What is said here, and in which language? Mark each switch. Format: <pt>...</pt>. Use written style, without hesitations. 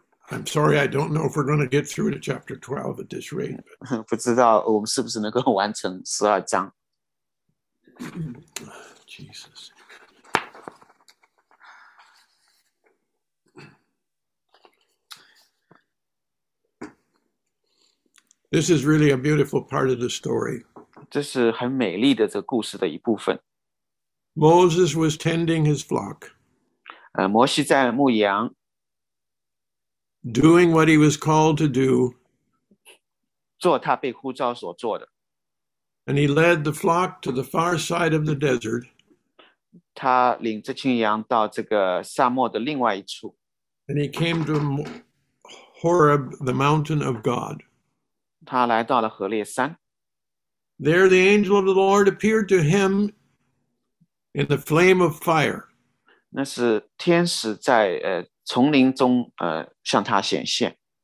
<en>I'm sorry, I don't know if we're going to get through to chapter 12 at this rate.</en> <zh>不知道我们是不是能够完成12章。</zh> <en>Jesus. This is really a beautiful part of the story.</en> <zh>这是很美丽的这故事的一部分。</zh> <en>Moses was tending his flock.</en> <zh>摩西在牧羊。</zh> <en>Doing what he was called to do.</en> <zh>做他被呼召所做的。</zh> <en>And he led the flock to the far side of the desert.</en> <zh>他领着群羊到这个沙漠的另外一处。</zh> <en>And he came to Horeb, the mountain of God.</en> <zh>他来到了何烈山。</zh> <en>There the angel of the Lord appeared to him in the flame of fire.</en> <zh>那是天使在丛林中向他显现。</zh>